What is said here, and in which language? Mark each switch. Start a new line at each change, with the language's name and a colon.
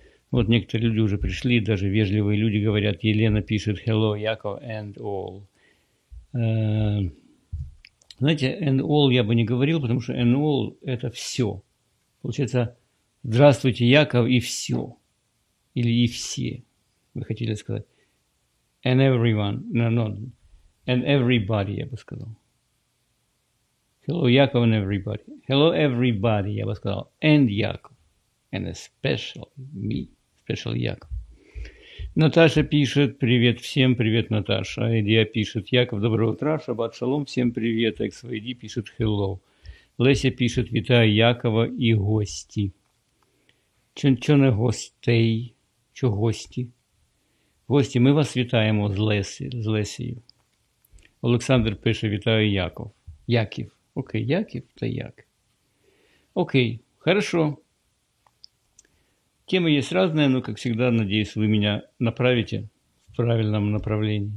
Russian: Вот некоторые люди уже пришли, даже вежливые люди говорят. Елена пишет:
English: Hello, Яков, and all.
Russian: Знаете,
English: and all
Russian: я бы не говорил, потому что and all – это все. Получается, здравствуйте, Яков, и все. Или и все, вы хотели сказать.
English: And everyone, no, and everybody,
Russian: я бы сказал.
English: Hello, Яков, and everybody. Hello, everybody,
Russian: я бы сказал.
English: And Яков. And especially me.
Russian: Special Яков. Наташа пишет: привет всем, привет, Наташа. Айдия пишет: Яков, доброе утро, шаббат шалом, всем привет. XYD пишет: hello. Леся пишет:
Ukrainian: витаю
Russian: Якова и гости. Чо не гостей? Чо гости?
Ukrainian: Гості, ми вас вітаємо з Лесією. Олександр пише: вітаю Яков. Яків. Окей, Яків та Як. Окей,
Russian: хорошо.
Ukrainian: Теми є різні, але, як завжди, надіюсь, ви мене направите в правильному
Russian: направлении.